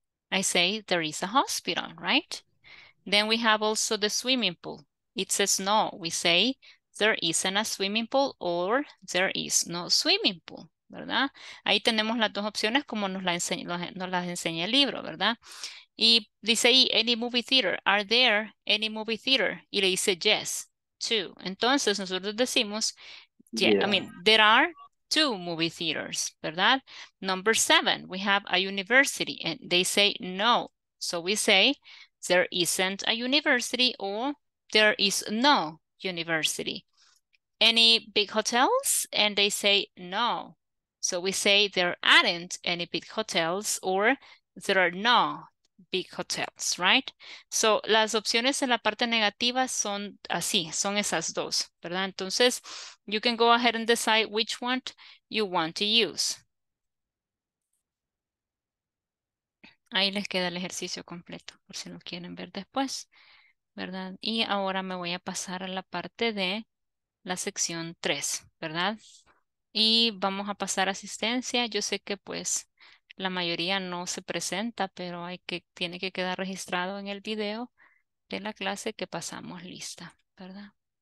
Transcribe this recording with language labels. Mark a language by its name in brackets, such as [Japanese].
[English] I say there is a hospital, right? Then we have also the swimming pool. It says no. We say there isn't a swimming pool or there is no swimming pool. [Spanish] ¿Verdad? Ahí tenemos las dos opciones como nos las enseña el libro, ¿verdad? Y dice ahí, [English] any movie theater, are there any movie theater? [Spanish] Y le dice yes, two. Entonces nosotros decimos, [English] there are two movie theaters, [Spanish] ¿verdad? [English] Number seven, we have a university and they say no. So we say, there isn't a university or there is no university. Any big hotels? And they say no. So we say there aren't any big hotels or there are no big hotels, right? [Spanish] So las opciones en la parte negativa son así, son esas dos, ¿verdad? [English] Entonces, you can go ahead and decide which one you want to use. [Spanish] Ahí les queda el ejercicio completo, por si lo quieren ver después, ¿verdad? Y ahora me voy a pasar a la parte de la sección 3, ¿verdad? Y vamos a pasar asistencia. Yo sé que pues la mayoría no se presenta, pero tiene que quedar registrado en el video de la clase que pasamos lista, ¿verdad?